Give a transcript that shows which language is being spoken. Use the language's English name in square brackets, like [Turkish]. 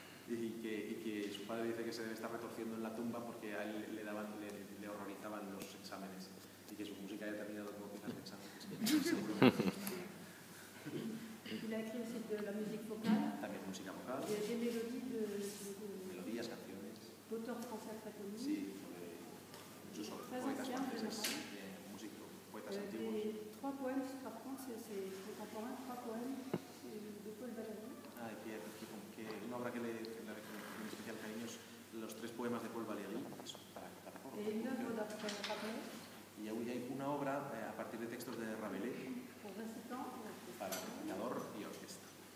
[Spanish] Y que su padre dice que se debe estar retorciendo en la tumba porque a él le horrorizaban los exámenes y que su música haya terminado como piezas de examen. [French] Il a écrit aussi de la musique vocale. [Spanish] También música vocal. [French] Y des mélodies de [Spanish] melodías, canciones. [French] D'auteur français très connu. [Spanish] Sí, incluso poetas franceses. Músicos, poetas antiguos. [French] Trois poèmes, par contre, c'est contemporain. Trois poèmes de Paul Valéry. [Spanish] Ah, que una obra que le recomiendo en especial cariño es los tres poemas de Paul Valéry. Eso, para [French] Et une œuvre d'après Rabelais. [Spanish] Y hoy hay una obra a partir de textos de Rabelais para recitador y orquesta.